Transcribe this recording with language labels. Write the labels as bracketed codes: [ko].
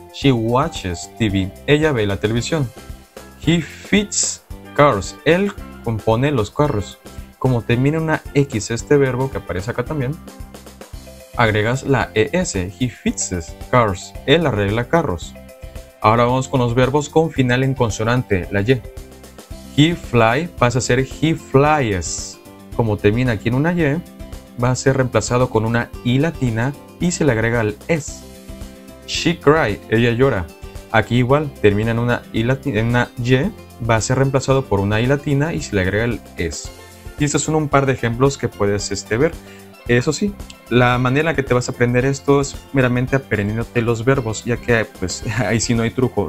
[en] She watches TV. [es] Ella ve la televisión. [en] He fits cars. [es] Él compone los carros. Como termina una X este verbo, que aparece acá también, agregas la ES. [en] He fixes cars. [es] Él arregla carros. Ahora vamos con los verbos con final en consonante, la Y. [en] He fly [es] pasa a ser [en] he flies. [es] Como termina aquí en una Y, va a ser reemplazado con una I latina y se le agrega el S. [en] She cry, [es] ella llora. Aquí igual termina en una I latina, en una Y, va a ser reemplazado por una I latina y se le agrega el S. Y estos son un par de ejemplos que puedes ver. Eso sí, la manera en la que te vas a aprender esto es meramente aprendiéndote los verbos, ya que pues ahí sí no hay truco.